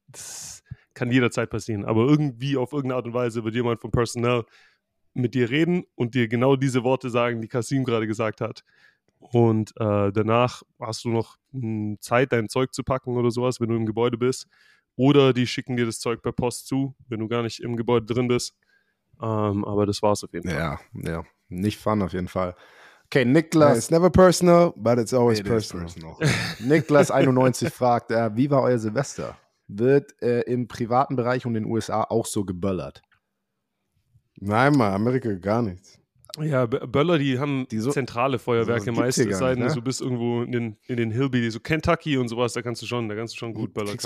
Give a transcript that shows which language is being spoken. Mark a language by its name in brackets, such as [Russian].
[German] Das kann jederzeit passieren. Aber irgendwie, auf irgendeine Art und Weise, wird jemand vom Personal mit dir reden und dir genau diese Worte sagen, die Kasim gerade gesagt hat. Und danach hast du noch Zeit, dein Zeug zu packen oder sowas, wenn du im Gebäude bist. Oder die schicken dir das Zeug per Post zu, wenn du gar nicht im Gebäude drin bist. Aber das war's auf jeden Fall. Ja, ja. Nicht fun auf jeden Fall. Okay, Niklas. [English] It's never personal, but it's always personal. [German] Niklas 91 fragt, wie war euer Silvester? Wird im privaten Bereich und in den USA auch so geböllert? Nein, Mann, Amerika gar nichts. Ja, Böller, die haben die zentrale Feuerwerke meistens. Ne? Du bist irgendwo in den Hillbilly, so Kentucky und sowas, da kannst du schon gut Böller kaufen.